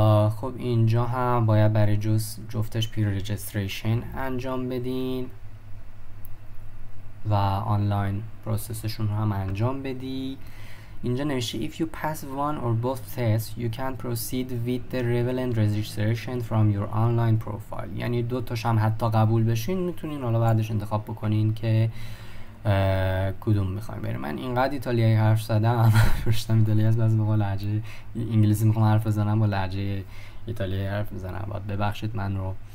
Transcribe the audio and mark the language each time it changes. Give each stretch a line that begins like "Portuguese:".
Persian: خب اینجا هم باید برای جفتش پری رجستریشن انجام بدین و آنلاین پروسسشون رو هم انجام بدی. اینجا نوشته
English: if you pass one or both tests you can proceed with the relevant registration from your online profile.
Persian: یعنی دو تاش هم حتی قبول بشین میتونین حالا بعدش انتخاب بکنین که کدوم میخواین بریم. من اینقدر ایتالیایی حرف زدم پرشتم ایتالیا از بعضی موقع لهجه انگلیسی میخوام حرف بزنم با لهجه ایتالیایی حرف میزنم، باید ببخشید من رو.